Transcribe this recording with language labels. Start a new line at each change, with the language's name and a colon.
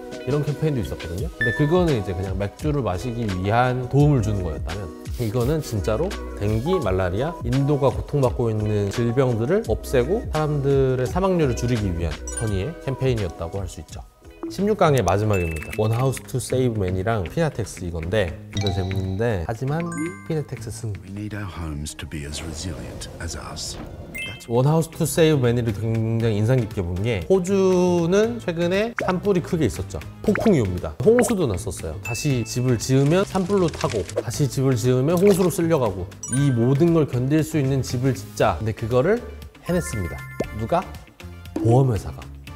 Korean: 이런 캠페인도 있었거든요. 근데 그거는 이제 그냥 맥주를 마시기 위한 도움을 주는 거였다면 이거는 진짜로 댕기, 말라리아, 인도가 고통받고 있는 질병들을 없애고 사람들의 사망률을 줄이기 위한 선의의 캠페인이었다고 할 수 있죠. 16강의 마지막입니다. One House to Save Man이랑 피나텍스 이건데 이거 재밌는데 하지만 피나텍스 승.
English: We need our homes to be as resilient as us.
Korean: One House to Save Man이를 굉장히 인상 깊게 본 게 호주는 최근에 산불이 크게 있었죠. 폭풍이 옵니다. 홍수도 났었어요. 다시 집을 지으면 산불로 타고 다시 집을 지으면 홍수로 쓸려가고 이 모든 걸 견딜 수 있는 집을 짓자. 근데 그거를 해냈습니다. 누가? 보험회사가.